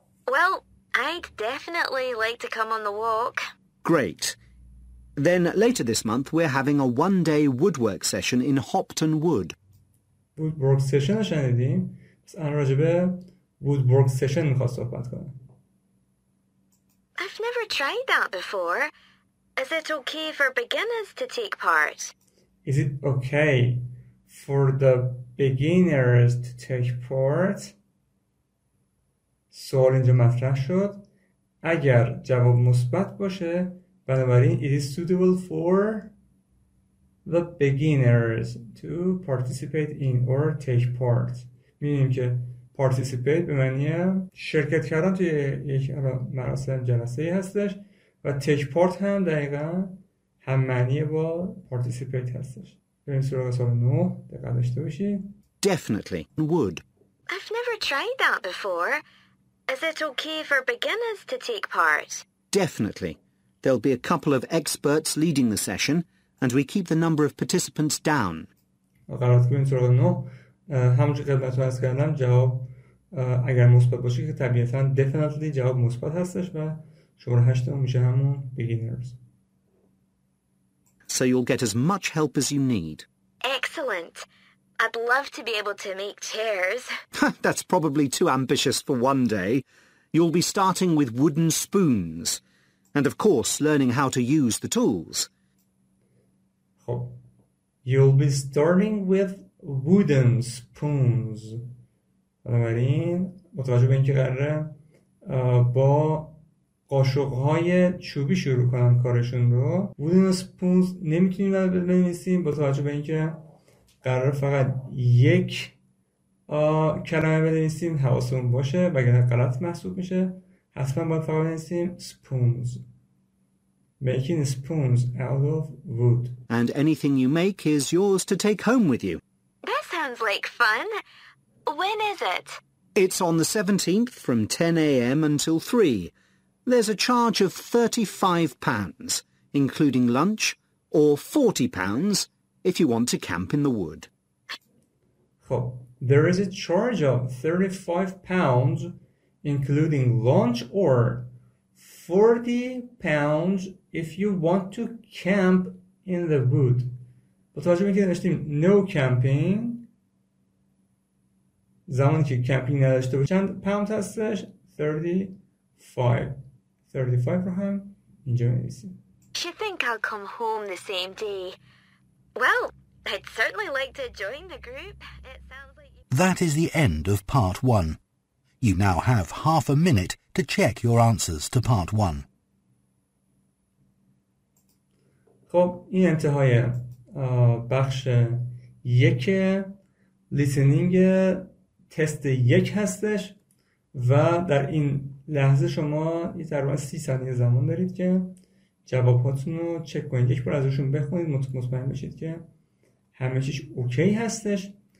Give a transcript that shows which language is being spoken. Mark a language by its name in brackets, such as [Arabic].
[English] Well, I'd definitely like to come on the walk. Great. Then later this month we're having a one-day woodwork session in Hopton Wood. Woodwork session [Persian] شنیدیم. پس الان راجع به [English] woodwork session [Persian] می‌خوام صحبت کنم. [English] I've never tried that before. Is it okay for beginners to take part? Is it okay for the beginners to take part? [Persian] سوال اینجا مطرح شد. اگر جواب مثبت باشه، [English] بنابراین it is suitable for the beginners to participate in or take part. [Persian] می‌بینیم که participate به معنی شرکت کردن توی یک مراسم جلسه هستش. و تک پارت هم دقیقا هم معنی با پارتیسیپیت هستش. بریم سراغ سال 9 دقیقا داشته باشی. [English] Definitely would. I've never tried that before. Is it okay for beginners to take part? Definitely. There'll be a couple of experts leading the session and we keep the number of participants down. [Persian] قرارت بریم سراغ 9 همونجور خدمت رو هست کردم جواب اگر مثبت باشه که طبیعتا definitely جواب مثبت هستش و شماره هشتمون میشه همون beginners. [English] so you'll get as much help as you need. Excellent. I'd love to be able to make chairs. That's probably too ambitious for one day. You'll be starting with wooden spoons. And of course, learning how to use the tools. You'll be starting with wooden spoons. [Persian] بنابراین متوجه به اینکه قراره با قاشق‌های چوبی شروع کنن کارشون رو، [English] wooden spoons [Persian] نمیتونیم بنویسیم با توجه به اینکه قراره فقط یک کلمه بنویسیم. حواسمون باشه وگرنه غلط محسوب میشه. حتما باید فقط بنویسیم spoons. [English] Making spoons out of wood. And anything you make is yours to take home with you. That sounds like fun. When is it? It's on the 17th from 10 a.m. until 3. There's a charge of £35, including lunch, or £40 if you want to camp in the wood. Oh, there is a charge of £35, including lunch, or £40 if you want to camp in the wood. [Persian] متوجه می‌شید نشستیم [English] no camping. [Persian] زمانی که کمپینگ نداشته باشید چند پاوند هستش؟ 35 رو هم اینجا می‌نویسیم. [English] She think I'll come home the same day. Well, I'd certainly like to join the group. It sounds like That is the end of part 1. You now have half a minute to check your answers to part 1. [Persian] خب این انتهای بخش یک لیسنینگ تست یک هستش و در این لحظه شما یه تقریبا 30 ثانیه زمان دارید که جواباتون رو چک کنید، یک بار ازشون بخونید، مطمئن بشید که همه چیش اوکی هستش.